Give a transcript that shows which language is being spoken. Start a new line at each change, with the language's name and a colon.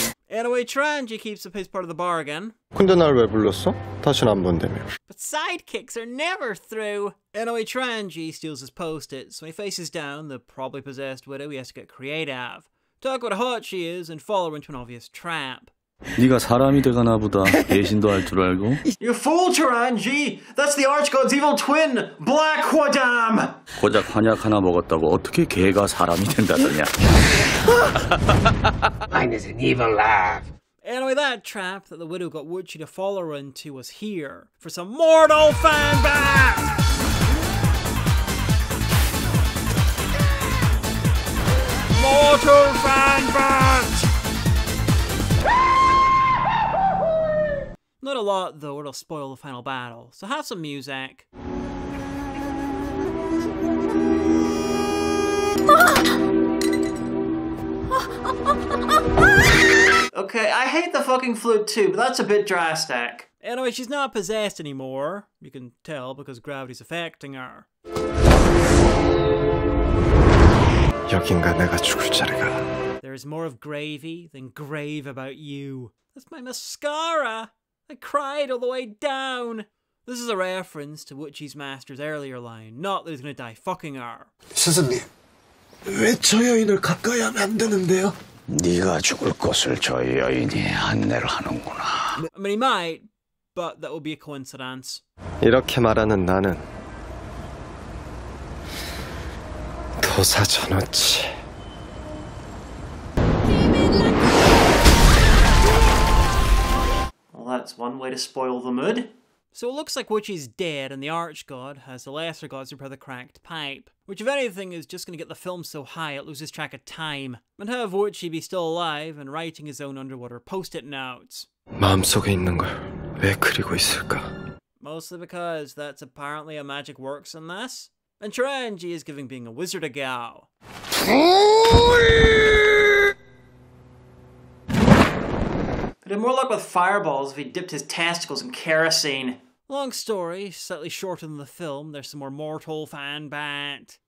English: Anyway, Tranji keeps up his part of the bargain.
Korean: 근데 날 왜 불렀어? 다시 안 본다며.
English: But sidekicks are never through. Anyway, Tranji steals his post-it, so he faces down the probably possessed widow he has to get creative. Talk about how hot she is and follow her into an obvious trap.
Korean: 네가 사람이 되가나 보다. 배신도 할 줄 알고.
English: You fool, Tranji! That's the Archgod's evil twin, Black Hwadam!
Korean: 고작 환약 하나 먹었다고 어떻게 걔가 사람이 된다더냐.
English: Mine is an evil laugh. Anyway, that trap that the widow got Woochie to follow her into was here. For some mortal fan back! Mortal fan back! Not a lot, though, or it'll spoil the final battle. So have some music. okay. I hate the fucking flute too, but that's a bit drastic. Anyway, she's not possessed anymore. You can tell because gravity's affecting her.
Korean: 여긴가 내가 죽을 자리가.
English: There is more of gravy than grave about you. That's my mascara. I cried all the way down. This is a reference to Woochie's master's earlier line, not that he's going to die fucking her.
Korean: 스승님, 왜 저 여인을 가까이 하면 안 되는데요? 네가 죽을 것을 저 여인이 안내를 하는구나.
English: I mean, he might, but that would be a coincidence.
Korean: 이렇게 말하는 나는 도사 전우치.
English: That's one way to spoil the mood. So it looks like Woochie's dead and the arch god has the lesser gods repair the cracked pipe. Which, if anything, is just going to get the film so high it loses track of time. And have Woochie be still alive and writing his own underwater post-it notes.
Korean: 마음속에 있는 걸 왜 그리고 있을까?
English: Mostly because that's apparently how magic works in this. And Chirangi is giving being a wizard a go. He'd have more luck with fireballs if he dipped his testicles in kerosene. Long story, slightly shorter than the film, there's some more mortal fan bat.